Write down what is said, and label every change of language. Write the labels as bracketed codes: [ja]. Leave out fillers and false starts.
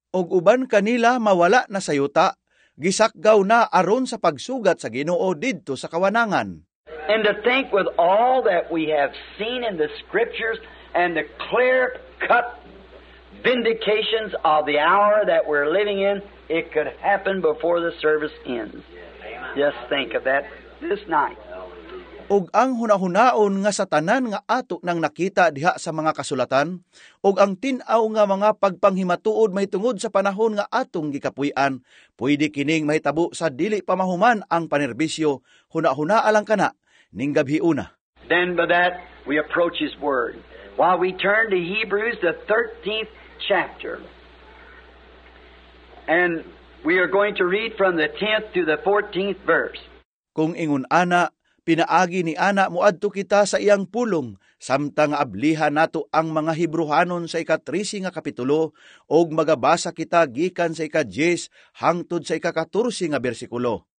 [ceb] Og uban kanila mawala na sa yuta, gisakgaw na aron sa pagsugat sa Ginoo didto sa kawanangan. [en] And to think with all that we have seen in the scriptures and the clear-cut vindications of the hour that we're living in, it could happen before the service ends. Just think of that this night. [ceb] Og ang hunahunaon nga sa tanan nga ato nang nakita diha sa mga kasulatan, og ang tinaw nga mga pagpanghimatuod mahitungod sa panahon nga atong gikapuy-an, pwede kining mahitabo sa dili pamahuman ang panerbisyo, hunahuna alang kana, ning gabhi una. [en] Then by that, we approach His Word. While we turn to Hebrews, the 13th chapter, and we are going to read from the 10th to the 14th verse. [ceb] Kung ingon ana, pinaagi ni ana muadto kita sa iyang pulong samtang ablihan nato ang mga Hebruhanon sa ika-13 nga kapitulo og magabasa kita gikan sa ika-10 hangtod sa ika-14 nga bersikulo.